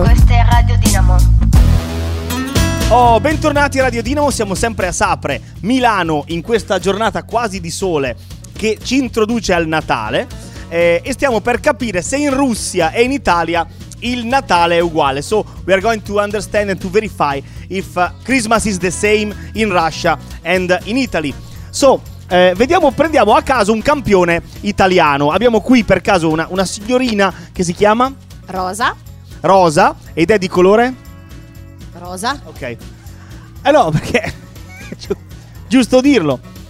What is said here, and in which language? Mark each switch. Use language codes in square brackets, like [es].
[it] Questa è Radio Dinamo. Oh, bentornati a Radio Dinamo, siamo sempre a Sapre, Milano, in questa giornata quasi di sole che ci introduce al Natale, e stiamo per capire se in Russia e in Italia il Natale è uguale. [en] So we are going to understand and to verify if Christmas is the same in Russia and in Italy. [it] So, vediamo, prendiamo a caso un campione italiano. Abbiamo qui per caso una signorina che si chiama? Rosa. Rosa, ed è di colore? Rosa. Ok. Allora, perché giusto dirlo.